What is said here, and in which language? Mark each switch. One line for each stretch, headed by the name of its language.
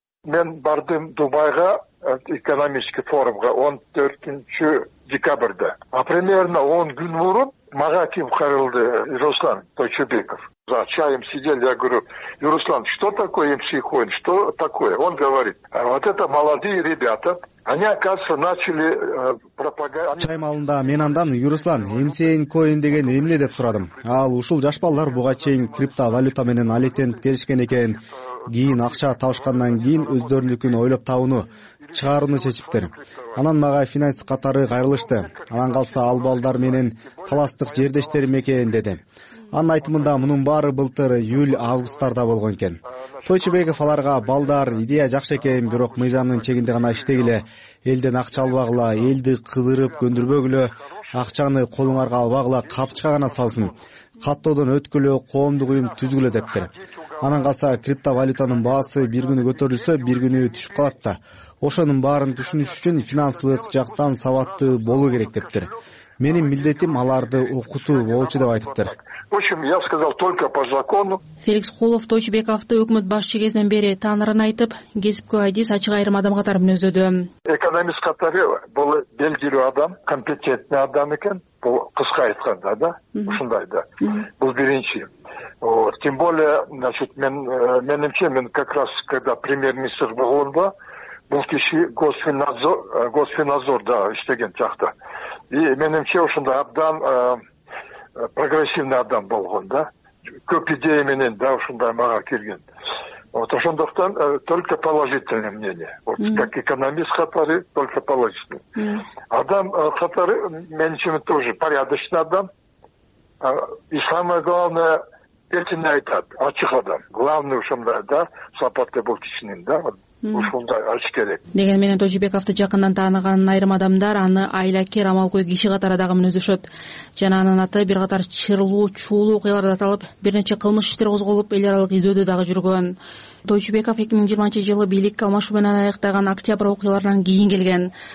Kyrgyz: Мен бардым Дубайга экономический форумга 14 декабрда. А примерно 10 күн мурун мага ким кайрылды Руслан Тойчубеков.
Russian: За чаем сидели, я говорю, Юрислан, что такое MCN Coin, что такое? Он говорит, а вот это молодые ребята, они, оказывается, начали пропагандировать.
Kyrgyz: Чай малында мен андан Юрислан, MCN Coin деген эмне деп сурадым. Ал ушул жаш балдар буга чейин криптовалюта менен алектенип келишкен экен, кийин акча табышкандан кийин өздөрүнүкүн ойлоп табууну, чыгарууну чечиптир. Анан мага финансист катары кайрылышты. Анан калса ал балдар менен таластык жердештерим экен деди. Анын айтымында мунун баары былтыр июль августтарда болгон экен. Тойчубеков аларга балдар идея жакшы экен, бирок мыйзамдын чегинде гана иштегиле, элден акча албагыла, элди кыдырып көндүрбөгүлө, акчаны колуңарга албагыла, капчыга гана салсын, каттоодон өткүлө, коомдук уюм түзгүлө дептир. Анан калса криптовалютанын баасы бир күнү көтөрүлсө, бир күнү түшүп калат да. Ошонун баарын түшүнүш үчүн финансылык жактан сабаттуу болуу керек дептир. Менин милдетим аларды окутуу болчу деп айтыптыр.
Russian: В общем, я сказал только по закону.
Kyrgyz: Феликс Кулов Тойчубековду өкмөт башчы кезинен бери таанырын айтып, кесипкө айдис ачык айрым адам катары мүнөздөдү. Экономист катары бул белгилүү адам, компетенттүү адам экен. Бул кыска айтканда да, ушундай да. Бул биринчи.
Russian: Вот, тем более, значит, мен как раз когда премьер-министр
Kyrgyz: болгондо, бул киши госфинадзорда иштеген жакта. И менимче ушундай абдан прогрессивный адам болгон да. Көп идея менен да ушундай мага келген. Вот ошондуктан
Russian: только положительное мнение. Вот как
Kyrgyz: экономист катары
Russian: только положительный.
Kyrgyz: Адам катары менимче
Russian: тоже порядочный
Kyrgyz: адам.
Russian: И самое главное,
Kyrgyz: эртин айтат, ачык адам. Главный ушундай да, сапаты бул кишинин да. Деген менен Тойчубековду жакындан тааныган айрым адамдар аны айлакер амалкой киши катары дагы мүнөздөшөт жана анын аты бир катар чырлуу чуулуу окуяларда аталып бир нече кылмыш иштер козголуп эл аралык издөөдө дагы жүргөн. Тойчубеков 2020 жылы бийликке алмашуу менен аяктаган октябрь окуяларынан кийин келген.